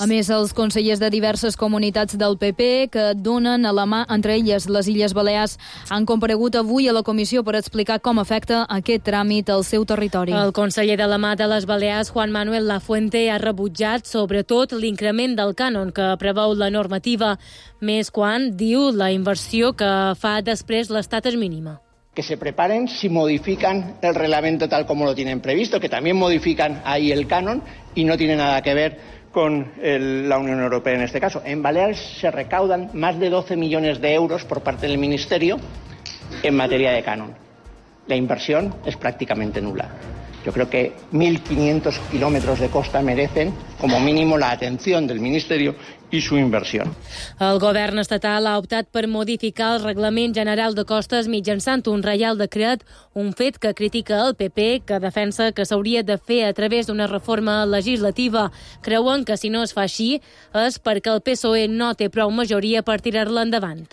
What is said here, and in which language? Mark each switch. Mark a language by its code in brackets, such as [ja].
[ca] A més, els consellers de diverses comunitats del PP que donen a la mà, entre elles les Illes Balears, han comparegut avui a la comissió per explicar com afecta aquest tràmit al seu territori. El conseller de la mà de les Balears, Juan Manuel Lafuente, ha rebutjat sobretot l'increment del cànon que preveu la normativa, més quan, diu, la inversió que fa després l'estat és mínima. [es] Que se preparen si modifican el reglamento tal como lo tienen previsto, que también modifican ahí el canon y no tiene nada que ver con la Unión Europea en este caso. En Baleares se recaudan más de 12 millones de euros por parte del Ministerio en materia de canon. La inversión es prácticamente nula. Yo creo que 1.500 kilómetros de costa merecen como mínimo la atención del Ministerio [ca] i su inversió. El govern estatal ha optat per modificar el Reglament General de Costes mitjançant un reial decret, un fet que critica el PP, que defensa que s'hauria de fer a través d'una reforma legislativa. Creuen que si no es fa així és perquè el PSOE no té prou majoria per tirar-la endavant.